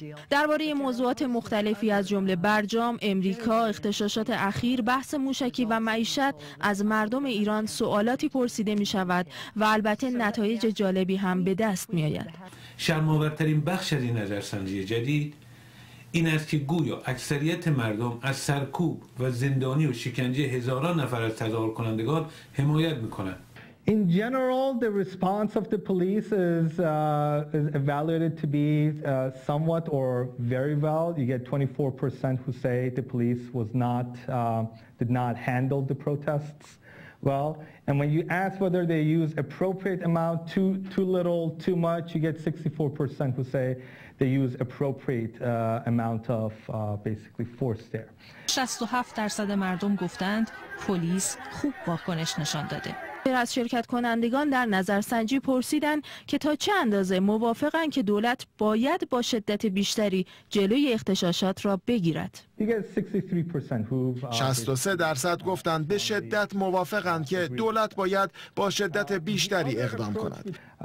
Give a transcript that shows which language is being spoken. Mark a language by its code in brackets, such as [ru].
[fa] درباره موضوعات مختلفی از جمله برجام، امریکا، اختشاشات اخیر، بحث موشکی و معیشت از مردم ایران سوالاتی پرسیده می شود و البته نتایج جالبی هم به دست می آید. شرم‌آورترین بخش از این نظرسنجی جدید این است که گویا اکثریت مردم از سرکوب و زندانی و شکنجه هزاران نفر از تظاهر کنندگان حمایت میکنند. [en] In general, the response of the police is evaluated to be somewhat or very well. You get 24% who say the police was not did not handle the protests well. And when you ask whether they use appropriate amount, too little, too much, you get 64% who say they use appropriate amount of basically force there. [fa] 67% مردم گفتند پلیس خوب واکنش نشان داده. از شرکت کنندگان در نظرسنجی پرسیدند که تا چه اندازه موافقند که دولت باید با شدت بیشتری جلوی اختشاشات را بگیرد. 63% گفتند به شدت موافقند که دولت باید با شدت بیشتری اقدام کند.